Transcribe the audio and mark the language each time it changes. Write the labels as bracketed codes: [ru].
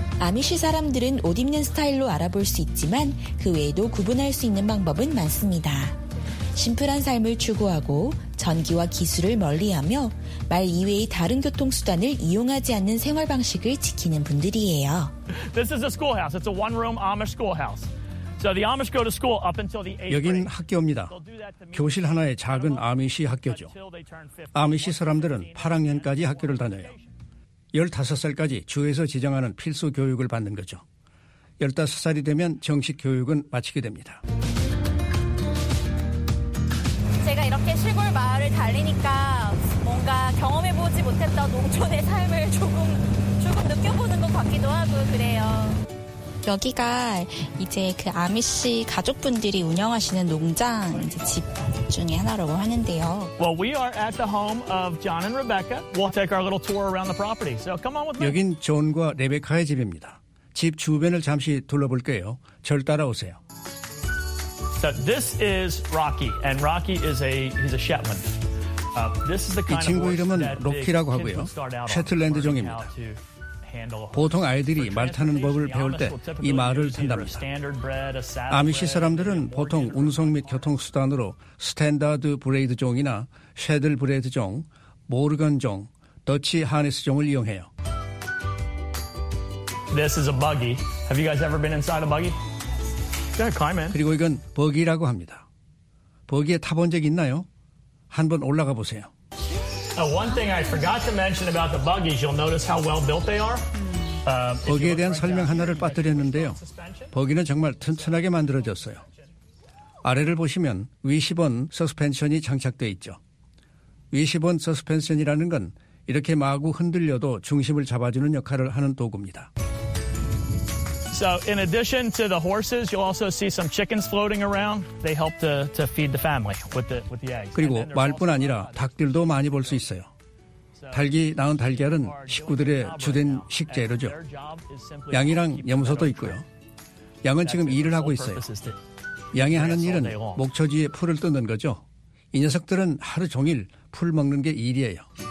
[ko] 아미시 사람들은 옷 입는 스타일로 알아볼 수 있지만 그 외에도 구분할 수 있는 방법은 많습니다. 심플한 삶을 추구하고 전기와 기술을 멀리하며 말 이외의 다른 교통수단을 이용하지 않는 생활 방식을 지키는 분들이에요. [en] This is a schoolhouse. It's a one-room Amish schoolhouse. So the Amish go to school up until the 8th. [ko] 여긴 학교입니다. 교실 하나에 작은 아미시 학교죠. 아미시 사람들은 8학년까지 학교를 다녀요. 15살까지 주에서 지정하는 필수 교육을 받는 거죠. 15살이 되면 정식 교육은 마치게 됩니다. 제가 이렇게 시골 마을을 달리니까 뭔가 경험해보지 못했던 농촌의 삶을 조금 느껴보는 것 같기도 하고 그래요. 여기가 이제 그 아미시 가족분들이 운영하시는 농장 이제 집 중에 하나라고 하는데요. [en] Well, we are at the home of John and Rebecca. We'll take our little tour around the property. So come on with me. [ko] 여긴 존과 레베카의 집입니다. 집 주변을 잠시 둘러볼게요. 절 따라오세요. [en] So this is Rocky, and Rocky is a Shetland. This is the kind of [ko] 이 친구 이름은 로키라고 하고요. 셰틀랜드종입니다. 보통 아이들이 말 타는 법을 배울 때 이 말을 탄답니다. 아미시 사람들은 보통 운송 및 교통수단으로 스탠다드 브레이드 종이나 쉐들 브레이드 종, 모르건 종, 더치 하네스 종을 이용해요. [en] This is a buggy. Have you guys ever been inside a buggy? Yeah, climb in. [ko] 그리고 이건 버기라고 합니다. 버기에 타본 적 있나요? 한번 올라가 보세요. [en] One thing I forgot to mention about the buggies, you'll notice how well built they are. [ko] 버기에 대한 설명 하나를 빠뜨렸는데요. 버기는 정말 튼튼하게 만들어졌어요. 아래를 보시면 위시본 서스펜션이 장착되어 있죠. 위시본 서스펜션이라는 건 이렇게 마구 흔들려도 중심을 잡아주는 역할을 하는 도구입니다. [en] So in addition to the horses, you'll also see some chickens floating around. They help to feed the family with the eggs. [ko] 그리고 말뿐 아니라 닭들도 많이 볼 수 있어요. 닭이 낳은 달걀은 식구들의 주된 식재료죠. 양이랑 염소도 있고요. 양은 지금 일을 하고 있어요. 양이 하는 일은 목초지에 풀을 뜯는 거죠. 이 녀석들은 하루 종일 풀 먹는 게 일이에요.